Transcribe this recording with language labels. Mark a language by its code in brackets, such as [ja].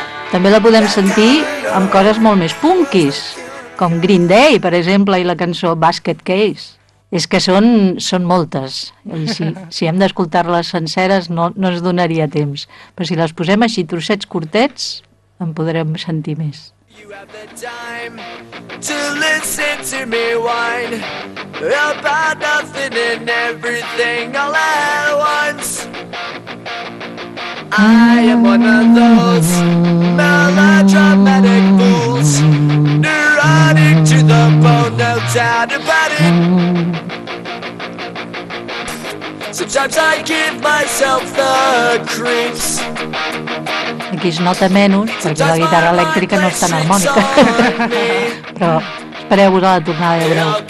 [ca] També la podem sentir amb coses molt més punkis, com Green Day, per exemple, i la cançó Basket Case. És que són moltes, i si hem d'escoltar-les senceres no ens donaria temps, però si les posem així trossets curtets, en podrem sentir més. [en] you have the time to listen to me whine about nothing and everything all at once. I am one of those melodramatic fools, neurotic to the bone, no doubt about it. Sometimes I give myself the creeps. [ca] Aquí es nota menys, perquè la guitarra elèctrica no és tan harmònica. Però espereu-vos a la tornada de breu.